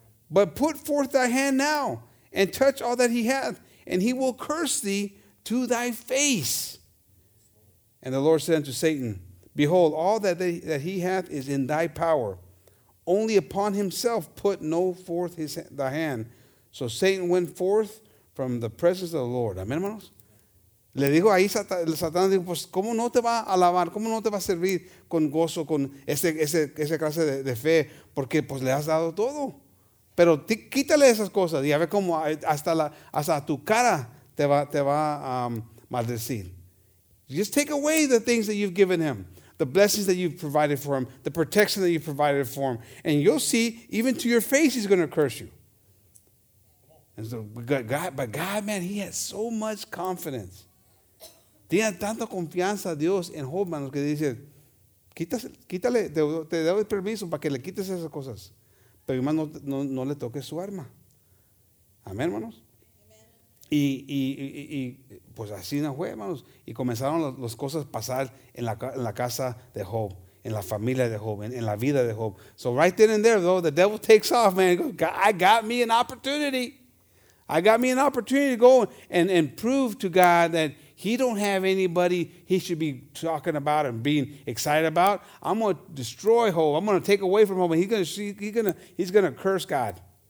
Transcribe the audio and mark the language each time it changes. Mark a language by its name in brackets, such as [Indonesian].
[English] But put forth thy hand now, and touch all that he hath, and he will curse thee to thy face. And the Lord said unto Satan, behold, all that he hath is in thy power. Only upon himself put no forth thy hand. So Satan went forth from the presence of the Lord. [Spanish] Amén, hermanos. Le dijo ahí Satanás, dijo, pues, ¿cómo no te va a alabar? ¿Cómo no te va a servir con gozo, con ese clase de fe? Porque, pues, le has dado todo. Pero quítale esas cosas y a ver cómo hasta tu cara te va a maldecir. [English] Just take away the things that you've given him, the blessings that you've provided for him, the protection that you've provided for him, and you'll see, even to your face, he's going to curse you. And so God, man, he has so much confidence. [Spanish] Tiene tanta confianza a Dios en Job, manos, que dice, quítale, te doy el permiso para que le quites esas cosas. Pero, hermano, no le toques su arma. Amén, hermanos. Y pues así no fue, hermanos. Y comenzaron las cosas a pasar en la casa de Job, en la familia de Job, en la vida de Job. [English] So right then and there, though, the devil takes off, man. He goes, I got me an opportunity. I got me an opportunity to go and prove to God that he don't have anybody he should be talking about and being excited about. I'm going to destroy Hope. I'm going to take away from Hope. He's going to curse God.